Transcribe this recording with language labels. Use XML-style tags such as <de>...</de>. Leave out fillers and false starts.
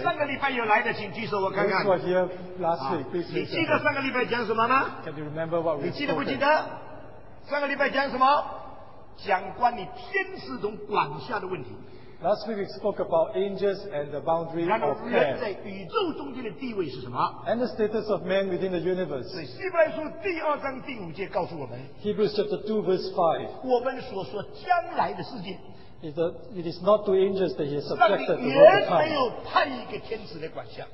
<zh>上个礼拜有来的，请举手，我看看。</zh> <en>Those were here last week, please.</en> <zh>你记得上个礼拜讲什么吗？</zh> <en>Can you remember what we?</en> <zh>你记得不记得？上个礼拜讲什么？讲关于天使中管辖的问题。</zh> <en>Last week we spoke about angels and the boundary of man.</en> <zh>人在宇宙中间的地位是什么</zh> <en>？And the status of man within the universe.</en> <zh>所以希伯来书第二章第五节告诉我们</zh> <en>，Hebrews chapter 2 verse 5.</en> <zh>我们所说将来的世界</zh> <en>，It is not to angels that he has subjected the world.</en> <zh>上帝原没有派一个天使来管辖。</zh>